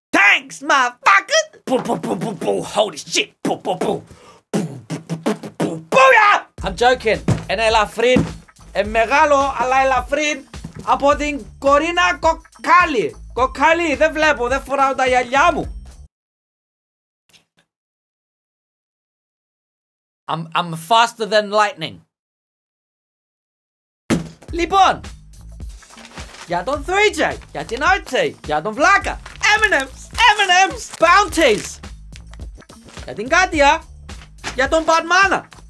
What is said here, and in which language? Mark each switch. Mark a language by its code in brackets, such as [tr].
[en] Thanks, my fucker! Που που που που που, holy shit! Που που που που που I'm joking. [el] Ένα ελαφρύ, μεγάλο αλλά ελαφρύ από την Κορίνα Κοκκάλι. Κοκκάλι, δεν βλέπω, δεν φοράω τα γυαλιά μου. [en] I'm faster than lightning. [el] Λοιπόν, για τον 3J, για την RT, για τον Βλάκα, M&M's, M&M's, Bounties, για την Κάτια, για τον Μπατμάνα.